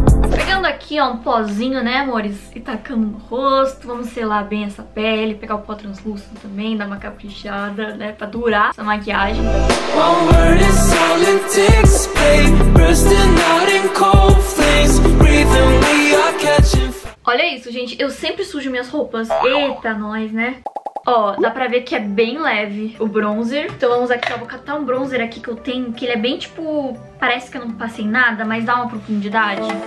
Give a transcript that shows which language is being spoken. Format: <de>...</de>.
<pt>Pegando aqui, ó, um pozinho, né, amores? E tacando no rosto. Vamos selar bem essa pele. Pegar o pó translúcido também, dar uma caprichada, né? Pra durar essa maquiagem.</pt> <en>One word is all it takes, babe. Bursting out in cold flames. Breathing, we are catching fire.</en> <pt>Olha isso, gente. Eu sempre sujo minhas roupas. Eita, nós, né? Ó, dá pra ver que é bem leve o bronzer. Então vamos aqui, ó. Vou catar um bronzer aqui que eu tenho, que ele é bem, tipo... Parece que eu não passei nada, mas dá uma profundidade.</pt>